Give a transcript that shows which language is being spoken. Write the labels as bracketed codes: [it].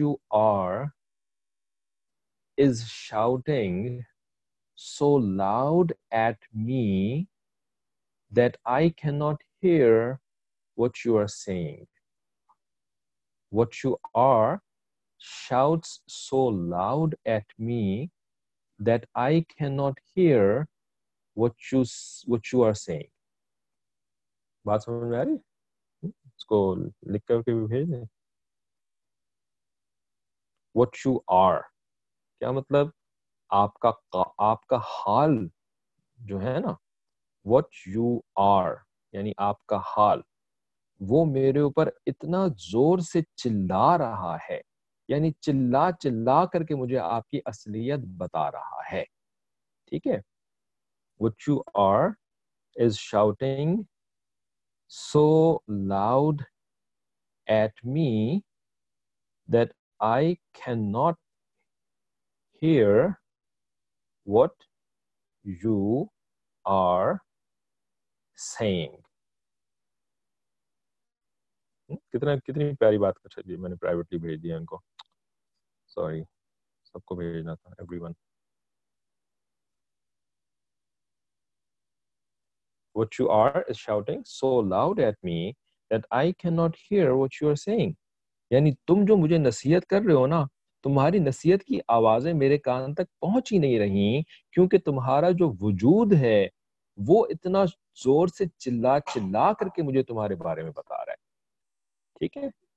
[en] are is shouting so loud at me that I cannot hear what you are saying. What you are shouts so loud at me that I cannot hear what you are saying. [ur] بات سمجھ میں آ رہی؟ اس کو لکھ کر کے بھی بھیج دیں. [en] What you are [ur] کیا مطلب؟ آپ کا حال جو ہے نا, [en] what you are [ur] یعنی آپ کا حال, وہ میرے اوپر اتنا زور سے چلا رہا ہے, یعنی چلا چلا کر کے مجھے آپ کی اصلیت بتا رہا ہے, ٹھیک ہے. [en] What you are is shouting so loud at me that I cannot hear what you are saying. [ur] کتنی پیاری بات کر سکتی, میں نے پرائیویٹلی بھیج دیا ان کو, سوری, سب کو بھیجنا تھا, every one. [en] What you are is shouting so loud at me that I cannot hear what you are saying. [ur] یعنی تم جو مجھے نصیحت کر رہے ہو نا, تمہاری نصیحت کی آوازیں میرے کان تک پہنچ ہی نہیں رہی, کیونکہ تمہارا جو وجود ہے وہ اتنا زور سے چلا چلا کر کے مجھے تمہارے بارے میں بتا رہا ہے, ٹھیک ہے.